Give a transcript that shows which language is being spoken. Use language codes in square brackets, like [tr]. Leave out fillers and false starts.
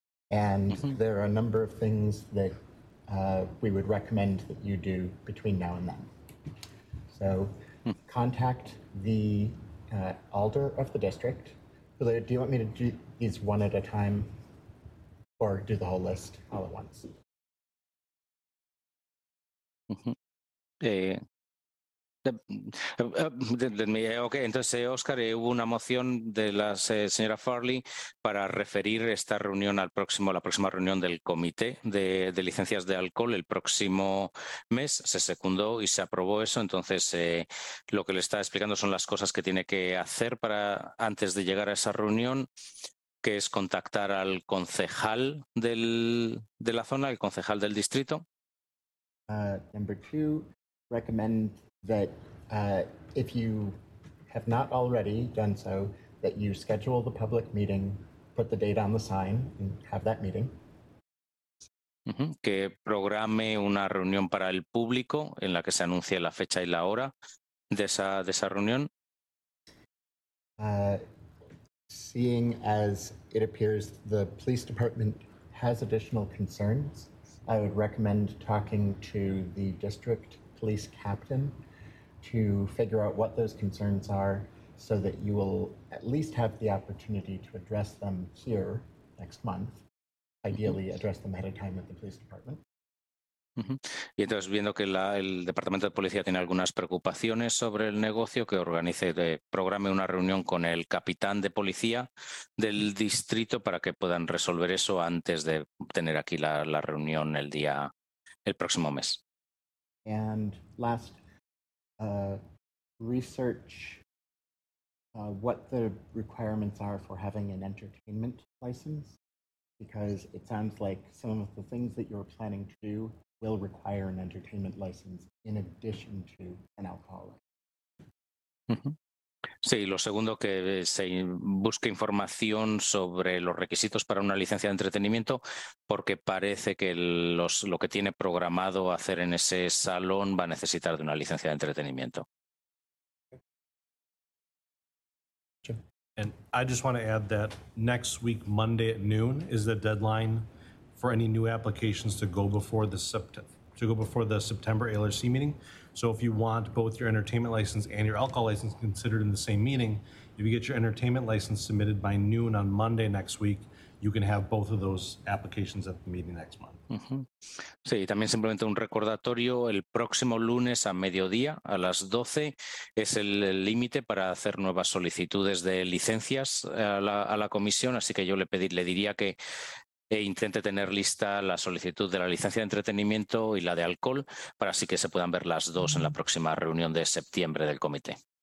[en] And there are a number of things that we would recommend that you do between now and then. So contact the alder of the district. Julia, do you want me to do these one at a time or do the whole list all at once? [es] Entonces, Oscar, hubo una moción de la señora Farley para referir esta reunión la próxima reunión del comité de licencias de alcohol el próximo mes. Se secundó y se aprobó eso. Entonces, lo que le está explicando son las cosas que tiene que hacer para antes de llegar a esa reunión, que es contactar al concejal de la zona, el concejal del distrito. [en] Number two, recommend that if you have not already done so, that you schedule the public meeting, put the date on the sign, and have that meeting. Mm-hmm. [es] Que programe una reunión para el público en la que se anuncie la fecha y la hora de esa reunión. [en] Seeing as it appears the police department has additional concerns, I would recommend talking to the district police captain to figure out what those concerns are so that you will at least have the opportunity to address them here next month, ideally address them ahead of time at the police department. [es] Y entonces, viendo que el Departamento de Policía tiene algunas preocupaciones sobre el negocio, que organice, programe una reunión con el capitán de policía del distrito para que puedan resolver eso antes de tener aquí la reunión el próximo mes. [en] And last, research what the requirements are for having an entertainment license, because it sounds like some of the things that you're planning to do will require an entertainment license in addition to an alcohol license. [es] Sí, lo segundo, que se busque información sobre los requisitos para una licencia de entretenimiento, porque parece que lo que tiene programado hacer en ese salón va a necesitar de una licencia de entretenimiento. [en] And I just want to add that next week, Monday at noon, is the deadline for any new applications to go before the September ALRC meeting. So if you want both your entertainment license and your alcohol license considered in the same meeting, if you get your entertainment license submitted by noon on Monday next week, you can have both of those applications at the meeting next month. [es] Sí, también simplemente un recordatorio, el próximo lunes a mediodía, a las 12, es el límite para hacer nuevas solicitudes de licencias a la comisión, así que yo le diría que e intente tener lista la solicitud de la licencia de entretenimiento y la de alcohol para así que se puedan ver las dos en la próxima reunión de septiembre del comité.